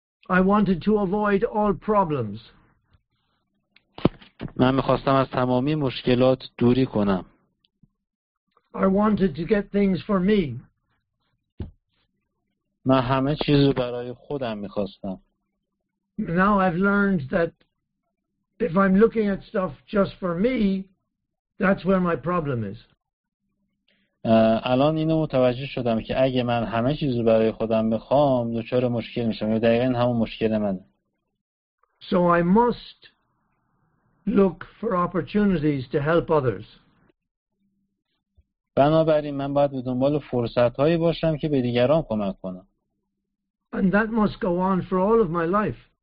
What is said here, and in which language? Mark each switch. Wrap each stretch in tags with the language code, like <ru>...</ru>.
<en>I wanted to avoid all problems.</en> <fa>من می‌خواستم از تمامی مشکلات دوری کنم.</fa> <en>I wanted to get things for me.</en> <fa>من همه چیز رو برای خودم می‌خواستم.</fa> <en>Now I've learned that if I'm looking at stuff just for me, that's where my problem is.</en> <fa>الان اینو متوجه شدم که اگه من همه چیز رو برای خودم بخوام دچار مشکل میشم. دقیقاً همون مشکل منه.</fa> <en>So I must look for opportunities to help others.</en> <fa>بنابراین من باید به دنبال فرصت‌هایی باشم که به دیگران کمک کنم.</fa> <en>And that must go on for all of my life.</en>